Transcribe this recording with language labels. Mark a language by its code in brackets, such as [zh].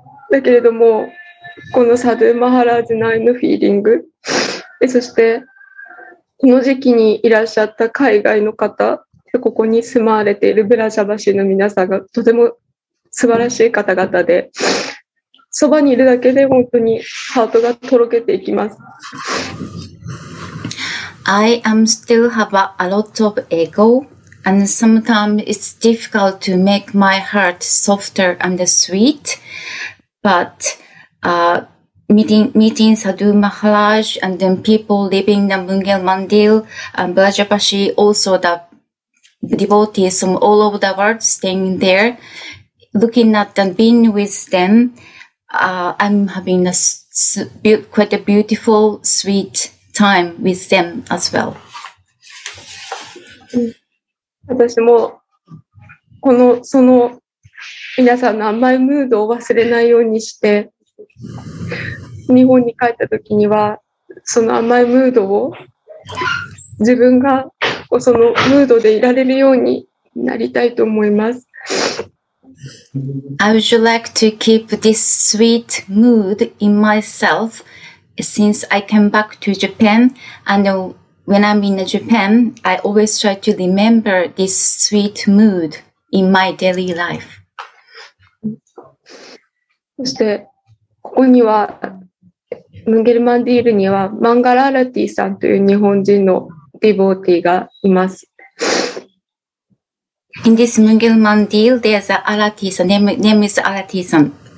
[ja] だけれども、このサドゥ・マハラージナイのフィーリング、そしてこの時期にいらっしゃった海外の方、ここに住まわれているブラジャバシの皆さんがとても素晴らしい方々で、そばにいるだけで本当にハートがとろけていきます。 [en] I am still have a lot of ego, and sometimes it's difficult to make my heart softer and sweet, but Meeting Sadhu Maharaj and then people living the Mungel Mandir and Brajabashi, also the devotees from all over the world staying there, looking at and being with them, I'm having quite a beautiful, sweet time with them as well. [ja] 私もこのその皆さんの甘いムードを忘れないようにして日本に帰った時にはその甘いムードを自分がそのムードでいられるようになりたいと思います。 [en] I would like to keep this sweet mood in myself since I came back to Japan. And when I'm in Japan, I always try to remember this sweet mood in my daily life. [ja] そしてここにはムンゲルマンディールにはマンガラーラティさんという日本人のディボーティーがいます。 [en] In this ムンゲルマンディール、there's a Arati さん。Name is Arati さん。